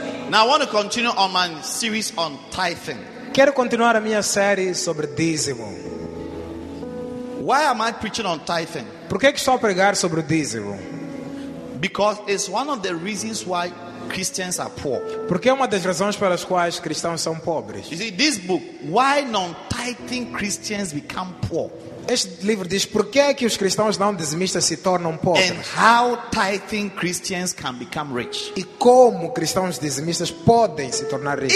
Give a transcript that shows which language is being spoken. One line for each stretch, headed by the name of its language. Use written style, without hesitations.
English: Now I want to continue on my series on tithing.
Portuguese: Quero continuar a minha série sobre dízimo.
English: Why am I preaching on tithing?
Portuguese: Por que estou a pregar sobre o dízimo?
English: Because it's one of the reasons why Christians are poor.
Portuguese: Porque é uma das razões pelas quais cristãos são pobres.
English: You see, this book, why non-tithing Christians become poor?
Portuguese: Este livro diz por que que os cristãos não dizimistas se tornam pobres.
English: And how tithing Christians can become rich.
Portuguese: E como cristãos dizimistas podem se tornar ricos.